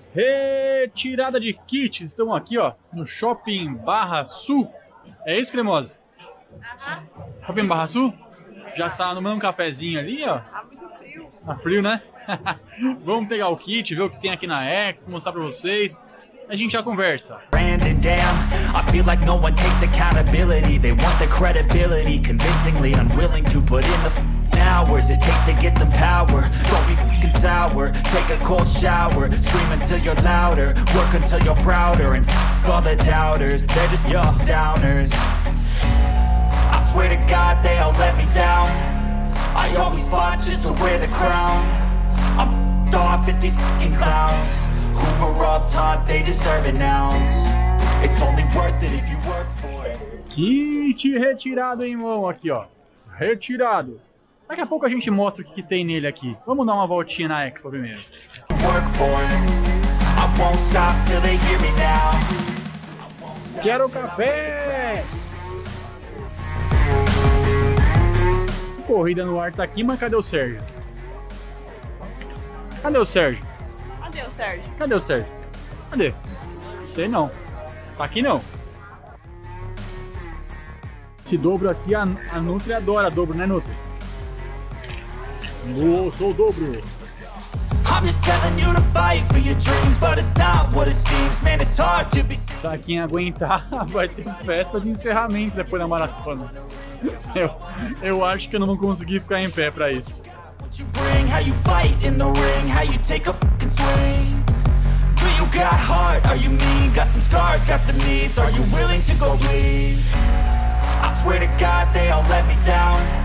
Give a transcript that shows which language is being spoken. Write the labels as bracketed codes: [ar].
[pt] Retirada de kit, estamos aqui ó, no Shopping Barra Sul. É isso, Cremosa? Aham. Shopping Barra Sul? Já tá no mesmo cafezinho ali, ó. Tá muito frio. Tá frio, né? Vamos pegar o kit, ver o que tem aqui na X, mostrar pra vocês. A gente já conversa. [en] Brandon, damn, I feel like no one takes accountability. They want the credibility, convincingly unwilling to put in the hours it takes to get some power. Don't be f***ing sour. Take a cold shower. Scream until you're louder. Work until you're prouder. And f*** all the doubters. They're just your downers. I swear to God they all let me down. I always fought just to wear the crown. I'm f***ed off at these f***ing clowns. Hoover up taught they deserve an ounce. It's only worth it if you work for it. [pt] Kit retirado, hein, mão? Aqui, ó. Retirado. Daqui a pouco a gente mostra o que tem nele aqui. Vamos dar uma voltinha na Expo primeiro. [en] Work for it. I won't stop till they hear me now. [pt] Quero café! Corrida no ar tá aqui, mas cadê o Sérgio? Cadê o Sérgio? Cadê o Sérgio? Cadê o Sérgio? Cadê? Sei não. Tá aqui não. Esse dobro aqui, a Nutri adora dobro, né, Nutri? Eu sou o dobro. [en] I'm just telling you to fight for your dreams, but it's not what it seems. Man, it's hard to be seen. [pt] Pra quem aguentar, vai ter festa de encerramento depois da maratona. Eu acho que eu não vou conseguir ficar em pé pra isso. [en] What you bring, how you fight in the ring, how you take a f***ing swing. Do you got heart, are you mean? Got some scars, got some needs, are you willing to go bleed? I swear to God they all let me down.